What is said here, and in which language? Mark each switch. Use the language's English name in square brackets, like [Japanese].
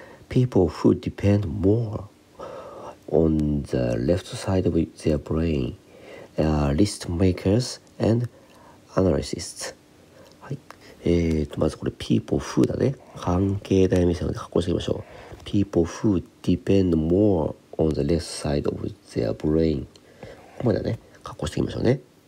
[English] People who depend more on the left side of their brain are list makers andアナリシスト。はい。 [Japanese] まずこれ、 [English] people who [Japanese] だね。関係代名詞なので、発行していきましょう。 [English] people who depend more on the left side of their brain。 [Japanese] ここまでね、発行していきましょうね。